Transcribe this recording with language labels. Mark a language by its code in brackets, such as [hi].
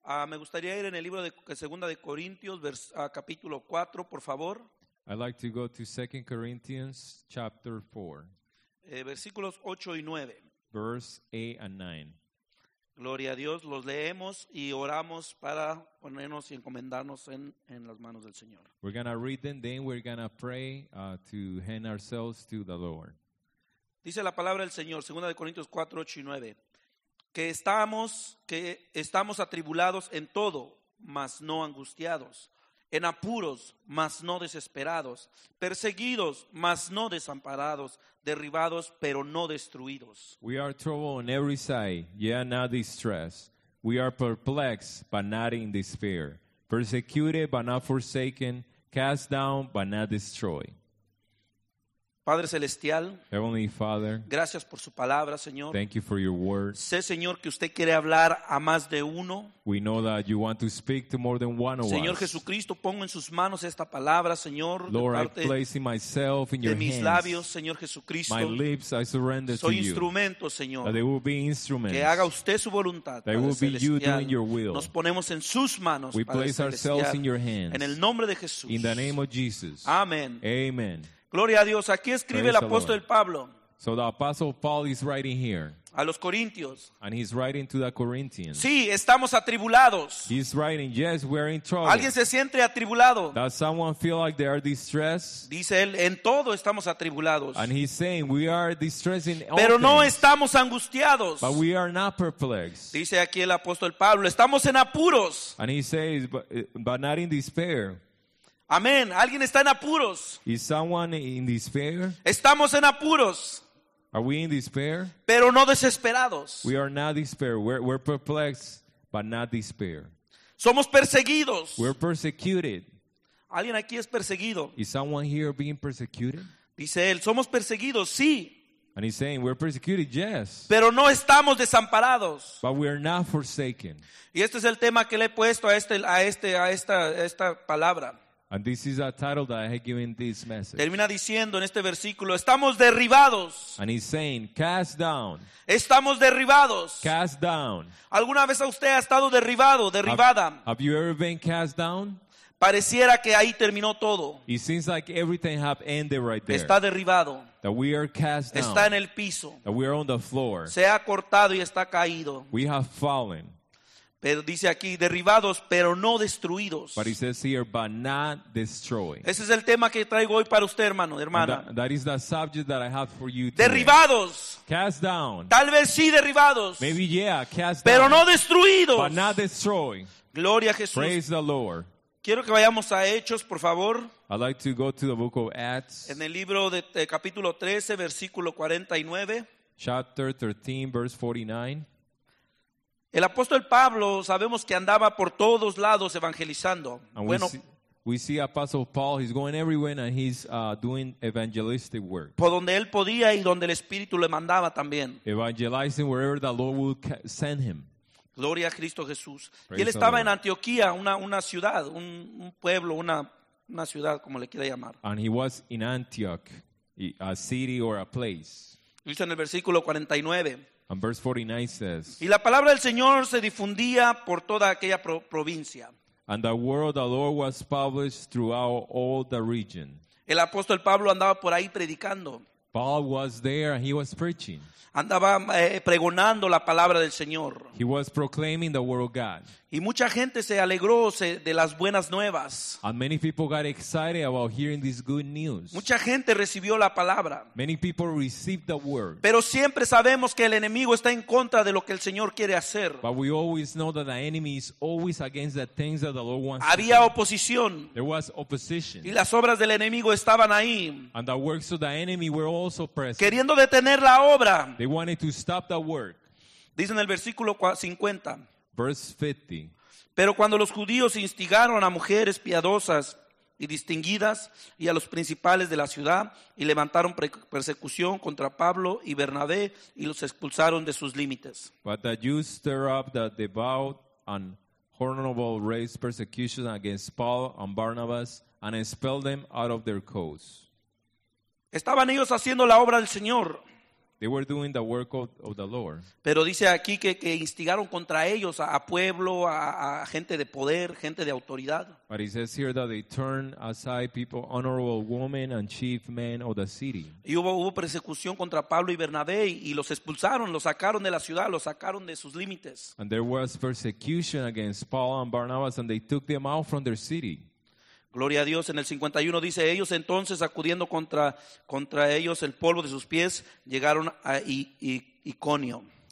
[es] Me gustaría ir en el libro de Segunda de Corintios, capítulo 4, por favor. [en] I'd like to go to 2 Corinthians chapter 4. [es] Versículos 8 y 9. [en] Verse 8 and 9. [es] Gloria a Dios, los leemos y oramos para ponernos y encomendarnos en las manos del Señor. [en] We're going to read them, then we're going to pray to hand ourselves to the Lord. [es] Dice la palabra del Señor, 2 Corintios 4, 8 y 9, que estamos atribulados en todo, mas no angustiados, en apuros, mas no desesperados, perseguidos, mas no desamparados, derribados, pero no destruidos. [en] We are troubled on every side, yet not distressed. We are perplexed, but not in despair. Persecuted, but not forsaken. Cast down, but not destroyed. [es] Padre Celestial, [en] Heavenly Father, [es] gracias por su palabra, Señor. [en] Thank you for your word. [es] Sé, Señor, que usted quiere hablar a más de uno. [en] We know that you want to speak to more than one of us. [es] Señor Jesucristo, pongo en sus manos esta palabra, Señor, [en] Lord, de parte I place in myself in [es] de [en] your [es] mis [en] hands. [es] Labios, Señor Jesucristo. [en] My lips, I surrender [es] soy [en] to [es] instrumento, Señor. [en] That they will be instruments. [es] Que haga usted su voluntad, [en] that That will be you doing your will. [es] Nos ponemos en sus manos, [en] we [es] Padre [en] place [es] Celestial, [en] ourselves in your hands. [es] En el nombre de Jesús. [en] In the name of Jesus. [es] Amen. [en] Amen. [es] Gloria a Dios. Aquí escribe el apóstol Pablo. [en] So the apostle Paul is writing here. [es] A los Corintios. [en] And he's writing to the Corinthians. [es] Sí, estamos atribulados. [en] He's writing, yes, we're in trouble. [es] ¿Alguien se siente atribulado? [en] Does someone feel like they are distressed? [es] Dice él, en todo estamos atribulados. [en] And he's saying, we are distressed in all [es] pero no [en] things, [es] estamos angustiados. [en] But we are not perplexed. [es] Dice aquí el apóstol Pablo, estamos en apuros. [en] And he says, but not in despair. [es] Amén. Alguien está en apuros. [en] Is someone in despair? [es] Estamos en apuros. [en] Are we in despair? [es] Pero no desesperados. [en] We are not despair. We're perplexed, but not despair. [es] Somos perseguidos. [en] We're persecuted. [es] Alguien aquí es perseguido. [en] Is someone here being persecuted? [es] Dice él, somos perseguidos, sí. [en] And he's saying, we're persecuted, yes. [es] Pero no estamos desamparados. [en] But we're not forsaken. [es] Y este es el tema que le he puesto a esta palabra. [en] And this is a title that I have given this message. [es] Termina diciendo en este versículo, estamos derribados. [en] And he's saying, cast down. [es] Estamos derribados. [en] Cast down. [es] ¿Alguna vez usted ha estado derribado, derribada? [en] Have you ever been cast down? [es] Pareciera que ahí terminó todo. [en] It seems like everything have ended right there. [es] Está derribado. [en] That we are cast down. [es] Está en el piso. [en] That we are on the floor. [es] Se ha cortado y está caído. [en] We have fallen. [es] Pero dice aquí, derribados, pero no destruidos. [en] But it says here, but not destroyed. [es] Ese es el tema que traigo hoy para usted, hermano, hermana. [en] That is the subject that I have for you today. [es] Derribados. [en] Cast down. [es] Tal vez sí derribados. [en] Maybe yeah, cast [es] pero [en] down. [es] Pero no destruidos. [en] But not destroyed. [es] Gloria a Jesús. [en] Praise the Lord. [es] Quiero que vayamos a Hechos, por favor. [en] I'd like to go to the book of Acts. [es] En el libro de capítulo 13, versículo 49. [en] Chapter 13, verse 49. [es] El apóstol Pablo, sabemos que andaba por todos lados evangelizando. [en] And [es] bueno, [en] we see Apostle Paul, he's going everywhere and he's doing evangelistic work. [es] Por donde él podía y donde el Espíritu le mandaba también. [en] Evangelizing wherever the Lord would send him. [es] Gloria a Cristo Jesús. Praise y él estaba en Antioquía, una ciudad, un pueblo, una ciudad, como le quiera llamar. [en] And he was in Antioch, a city or a place. [es] Dice en el versículo 49. [en] And verse 49 says, [es] y la palabra del Señor se difundía por toda aquella provincia. [en] And the word of the Lord was published throughout all the region. [es] El apóstol Pablo andaba por ahí predicando. [en] Paul was there and he was preaching. [es] Andaba pregonando la palabra del Señor. [en] He was proclaiming the word of God. [es] Y mucha gente se alegró de las buenas nuevas. [en] And many people got excited about hearing this good news. [es] Mucha gente recibió la palabra. [en] Many people received the word. [es] Pero siempre sabemos que el enemigo está en contra de lo que el Señor quiere hacer. [en] But we always know that the enemy is always against the things that the Lord wants. [es] Había oposición. [en] There was opposition. [es] Y las obras del enemigo estaban ahí. [en] And the works of the enemy were also present. [es] Queriendo detener la obra. [en] They wanted to stop the work. [es] Dice en el versículo 50. [en] Verse 50. [es] Pero cuando los judíos instigaron a mujeres piadosas y distinguidas y a los principales de la ciudad y levantaron persecución contra Pablo y Bernabé y los expulsaron de sus límites. [en] But the Jews stirred up the devout and honorable raised persecution against Paul and Barnabas and expelled them out of their coast. [es] Estaban ellos haciendo la obra del Señor. [en] They were doing the work of the Lord. [es] Pero dice aquí que instigaron contra ellos a pueblo, a gente de poder, gente de autoridad. [en] But it says here that they turned aside people, honorable women and chief men of the city. [es] Y hubo persecución contra Pablo y Bernabé y los expulsaron, los sacaron de la ciudad, los sacaron de sus límites. [en] And there was persecution against Paul and Barnabas and they took them out from their city. [es] Gloria a Dios. En el 51 dice, ellos entonces, acudiendo contra ellos el polvo de sus pies, llegaron a Iconio.